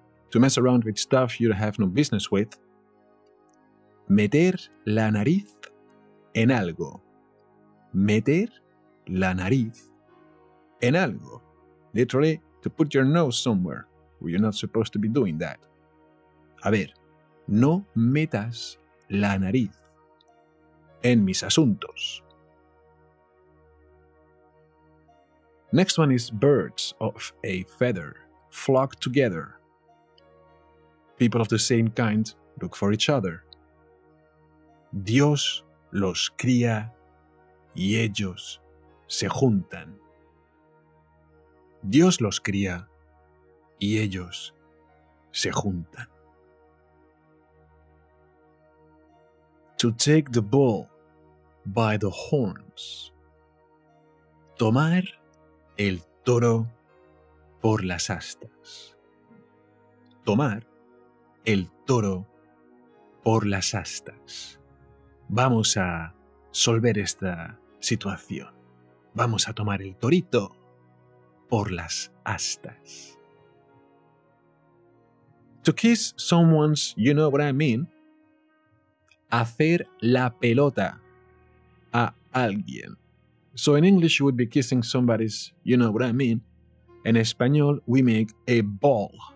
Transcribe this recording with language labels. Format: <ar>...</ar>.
<en>To mess around with stuff you have no business with.</en> <es>Meter la nariz en algo. Meter la nariz en algo.</es> <en>Literally, to put your nose somewhere where you're not supposed to be doing that.</en> <es>A ver, no metas la nariz en mis asuntos.</es> <en>Next one is birds of a feather flock together. People of the same kind look for each other.</en> <es>Dios los cría y ellos se juntan. Dios los cría y ellos se juntan.</es> <en>To take the bull by the horns.</en> <es>Tomar el toro por las astas. Tomar el toro por las astas. Vamos a resolver esta situación. Vamos a tomar el torito por las astas.</es> <en>To kiss someone's, you know what I mean.</en> <es>Hacer la pelota a alguien.</es> <en>So in English you would be kissing somebody's, you know what I mean.</en> <es>En español</es> <en>we make a ball.</en>